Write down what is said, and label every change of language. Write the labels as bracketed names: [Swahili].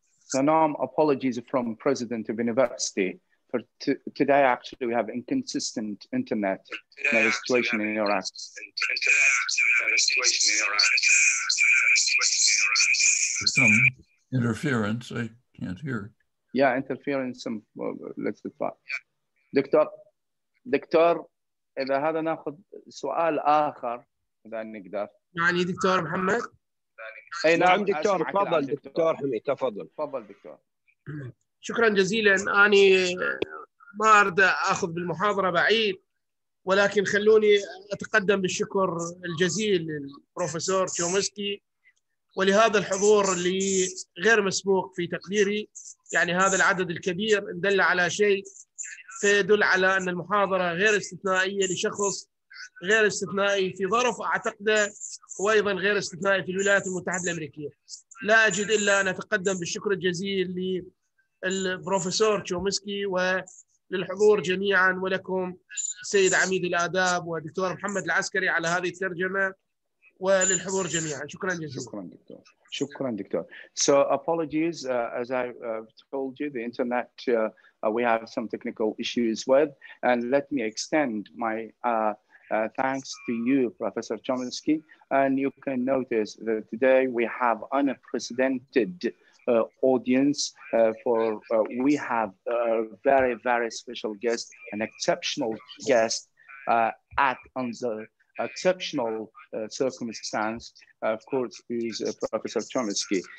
[English] So Naom, apologies from president of university. For today, actually, we have inconsistent internet in the situation in Iraq. Some interference, I can't hear. Yeah, interference, some, let's try. Yeah. [Arabic] دكتور, إذا هذا نأخذ سؤال آخر, إذا نقدر. يعني دكتور محمد؟ أي نعم دكتور, تفضل دكتور حميد, تفضل. تفضل دكتور. شكرا جزيلا. أنا ما أرد أخذ بالمحاضرة بعيد, ولكن خلوني أتقدم بالشكر الجزيل للبروفيسور تشومسكي ولهذا الحضور اللي غير مسبوق في تقديري، يعني هذا العدد الكبير دل على شيء، فيدل على أن المحاضرة غير استثنائية لشخص غير استثنائي في ظرف أعتقده، وأيضا غير استثنائي في الولايات المتحدة الأمريكية. لا أجد إلا أن أتقدم بالشكر الجزيل للبروفيسور تشومسكي وللحضور جميعا، ولكم سيد عميد الآداب ودكتور محمد العسكري على هذه الترجمة، وللحضور جميعا. شكرا جزيلا. شكرا دكتور. شكرا دكتور. [English] So apologies, as I told you, the internet we have some technical issues with, and let me extend my thanks to you, Professor Chomsky. And you can notice that today we have unprecedented audience for we have a very, very special guest, an exceptional guest at under exceptional circumstance, of course, is Professor Chomsky.